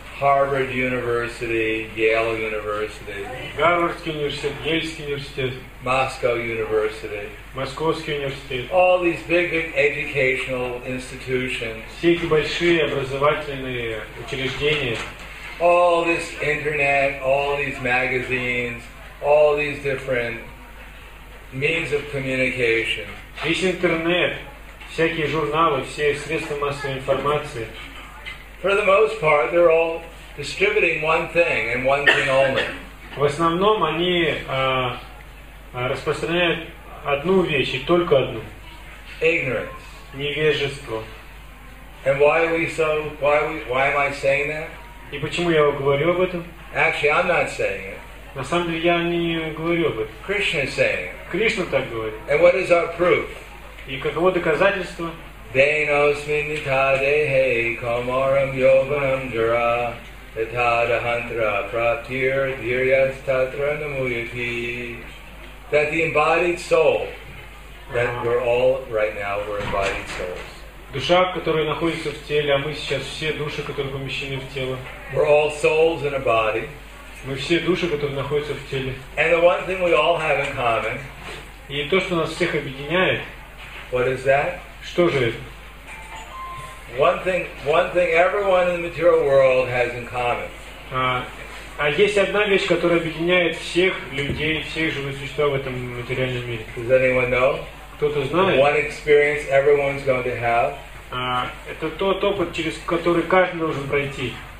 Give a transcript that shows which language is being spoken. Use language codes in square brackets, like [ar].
[en] Harvard University, Yale University. [ru] Гарвардский университет, Йельский университет. [en] Moscow University. [ru] Московский университет. [en] All these big educational institutions. [ru] Все эти большие образовательные учреждения. [en] All this internet, all these magazines, all these different means of communication. [ru] Весь интернет, всякие журналы, все средства массовой информации. [en] For the most part, they're all distributing one thing and one thing only. [ru] В основном они распространяют одну вещь и только одну. [en] Ignorance. [ru] Невежество. [en] And why are we so? Why am I saying that? [ru] И почему я говорю об этом? [en] Actually, I'm not saying it. [ru] На самом деле я не говорю об этом. [en] Krishna is saying it. [ru] Кришна так говорит. [en] And what is our proof? [ru] И каково доказательство? [sa] Dehnosmi nita dehe komaram yoganam jara tata dahantra pratir dhiryas tatra namuyati. [en] That the embodied soul, that we're all right now, we're embodied souls. [ru] Душа, которая находится в теле, а мы сейчас все души, которые помещены в тело. [en] We're all souls in a body. [ru] Мы все души, которые находятся в теле. [en] And the one thing we all have in common. [ru] И то, что нас всех объединяет. [en] What is that? [ru] Что же это? [en] One thing everyone in the material world has in common. [ru] А есть одна вещь, которая объединяет всех людей, всех живых существ в этом материальном мире. [en] Does anyone know? [ru] Кто-то знает? [en] One experience everyone's going to have. [ru] Это тот опыт, через который каждый должен пройти.